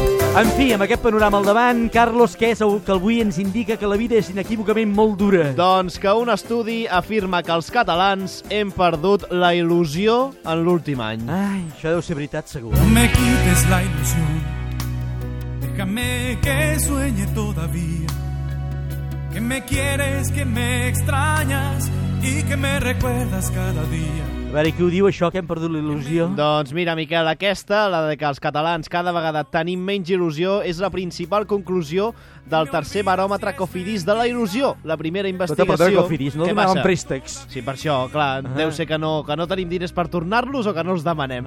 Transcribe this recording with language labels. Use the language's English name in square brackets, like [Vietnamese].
[Catalan] En fi, amb aquest panorama al davant, Carlos, què és el que avui ens indica que la vida és inequívocament molt dura? Doncs que un estudi afirma que els catalans hem perdut la il·lusió en l'últim any. Ai, això deu ser veritat, segur. [Spanish] No me quites la ilusión, déjame que sueñe todavía, que me quieres, que me extrañas y que me recuerdas cada día. [Catalan] A veure, qui ho diu, això, que hem perdut la il·lusió? Doncs mira, Miquel, aquesta, la de que els catalans cada vegada tenim menys il·lusió, és la principal conclusió del tercer baròmetre Cofidis de la il·lusió, la primera investigació... Però també Cofidis, no donàvem préstecs. Sí, per això, clar, deu ser que no tenim diners per tornar-los o que no els demanem.